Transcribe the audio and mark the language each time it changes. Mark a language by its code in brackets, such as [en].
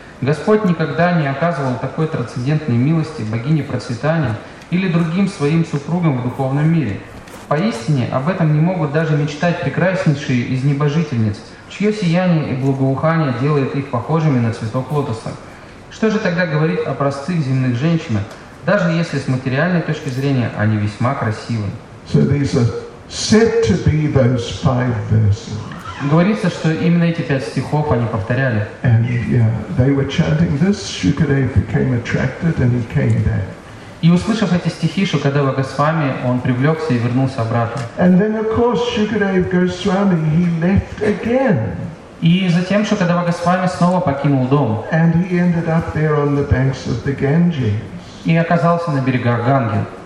[ru] Господь никогда не оказывал такой трансцендентной милости богине процветания или другим своим супругам в духовном мире. Поистине, об этом не могут даже мечтать прекраснейшие из небожительниц, чье сияние и благоухание делает их похожими на цветок лотоса. Что же тогда говорить о простых земных женщинах, даже если с материальной точки зрения они весьма красивы? [en] So these are said to be those 5 verses. [ru] Говорится, что именно эти 5 стихов они повторяли. [en] And yeah, they were chanting this, Shukadev became attracted and he came back. [ru] И услышав эти стихи, Шукадева Госвами, он привлекся и вернулся обратно. [en] And then, of course, Shukadev Goswami, he left again. [ru] И затем Шукадева Госвами снова покинул дом. [en] And he ended up there on the banks of the Ganges. [ru] И оказался на берегах Ганги.